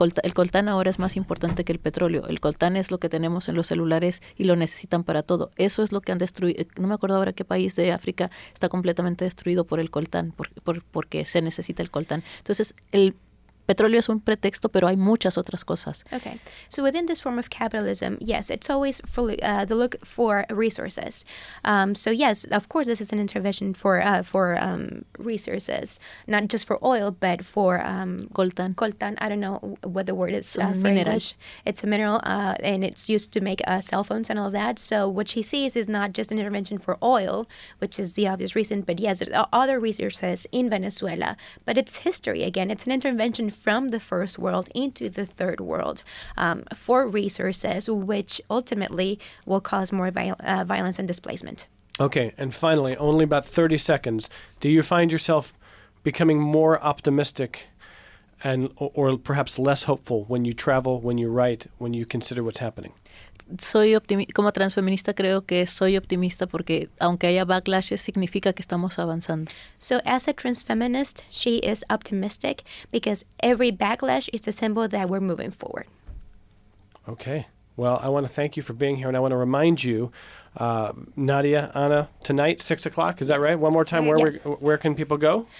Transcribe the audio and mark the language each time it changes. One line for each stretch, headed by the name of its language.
Spanish: El coltán ahora es más importante que el petróleo. El coltán es lo que tenemos en los celulares y lo necesitan para todo. Eso es lo que han destruido. No me acuerdo ahora qué país de África está completamente destruido por el coltán, porque se necesita el coltán. Entonces, el petróleo es un pretexto, pero hay muchas otras cosas.
English: Okay. So within this form of capitalism, yes, it's always for the look for resources. So yes, of course, this is an intervention for resources, not just for oil, but for coltan. Coltan. I don't know what the word is for mineral. English. It's a mineral, and it's used to make cell phones and all that. So what she sees is not just an intervention for oil, which is the obvious reason, but yes, other resources in Venezuela. But it's history again. It's an intervention from the first world into the third world for resources, which ultimately will cause more violence and displacement. Okay, and finally, only about 30 seconds, do you find yourself becoming more optimistic and or perhaps less hopeful when you travel, when you write, when you consider what's happening?
Spanish: Soy optimista, como transfeminista creo que soy optimista porque aunque haya backlashes significa que estamos avanzando.
English: So as a transfeminist, she is optimistic because every backlash is a symbol that we're moving forward. Okay. Well, I want to thank you for being here, and I want to remind you, Nadia, Anna, tonight, 6 o'clock, is that right? One more time, where can people go?